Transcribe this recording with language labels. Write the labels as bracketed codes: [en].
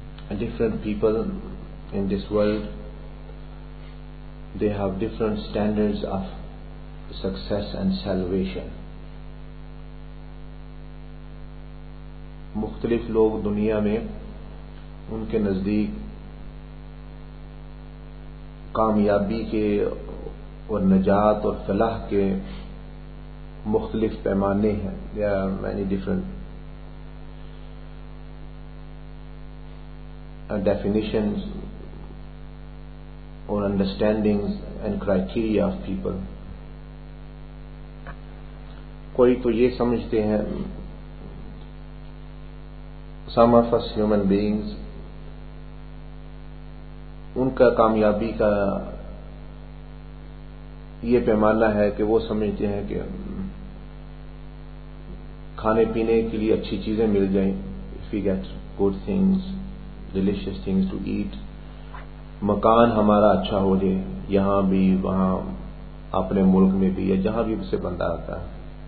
[en] And different people in this world, they have different standards of success and salvation. [ur] مختلف لوگ دنیا میں ان کے نزدیک کامیابی کے اور نجات اور فلاح کے مختلف پیمانے ہیں. [en] There are many different definitions or understandings and criteria of people. [ur] کوئی تو یہ سمجھتے ہیں, [en] some of us human beings, [ur] ان کا کامیابی کا یہ پیمانہ ہے کہ وہ سمجھتے ہیں کہ کھانے پینے کے لیے اچھی چیزیں مل جائیں, [en] if we get good things, delicious things to eat, [ur] مکان ہمارا اچھا ہو جائے, یہاں بھی وہاں اپنے ملک میں بھی یا جہاں بھی اسے بندہ آتا ہے.